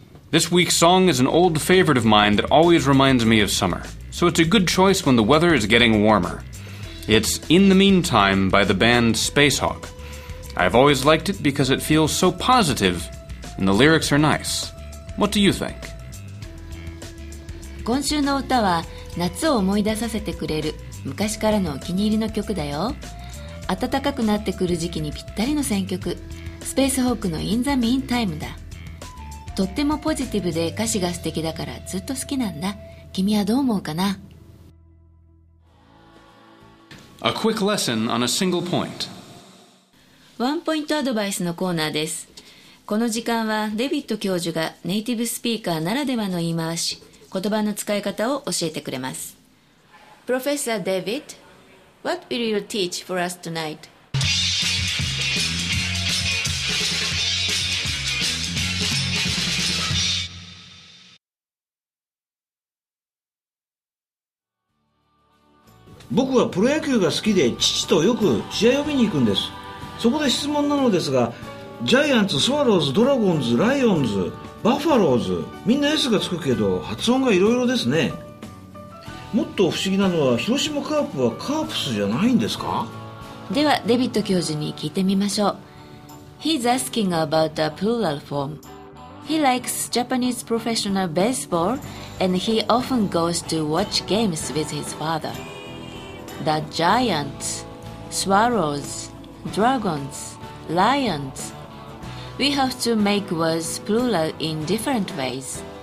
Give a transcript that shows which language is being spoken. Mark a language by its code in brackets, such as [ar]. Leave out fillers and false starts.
[en] This week's song is an old favorite of mine that always reminds me of summer, so it's a good choice when the weather is getting warmer. It's In the Meantime by the band Spacehawk. I've always liked it because it feels so positive and the lyrics are nice. What do you think? [ja] 今週の歌は夏を思い出させてくれる昔からのお気に入りの曲だよ。暖かくなってくる時期にぴったりの選曲、Spacehawkの In the Meantime だ。とってもポジティブで歌詞が素敵だからずっと好きなんだ。君はどう思うかな。 [en] A quick lesson on a single point. [ja] ワンポイントアドバイスのコーナーです。この時間はデビッド教授がネイティブスピーカーならではの言い回し、言葉の使い方を教えてくれます。 [en] Professor David, what will you teach for us tonight? [ja] 僕はプロ野球が好きで父とよく試合を見に行くんです。そこで質問なのですが、ジャイアンツ、スワローズ、ドラゴンズ、ライオンズ、バファローズ、みんな S がつくけど発音がいろいろですね。もっと不思議なのは、広島カープはカープスじゃないんですか？ではデビット教授に聞いてみましょう。 [en] He's asking about a plural form. He likes Japanese professional baseball and he often goes to watch games with his father. The Giants, Swallows, Dragons, Lions. We have to make words plural in different ways.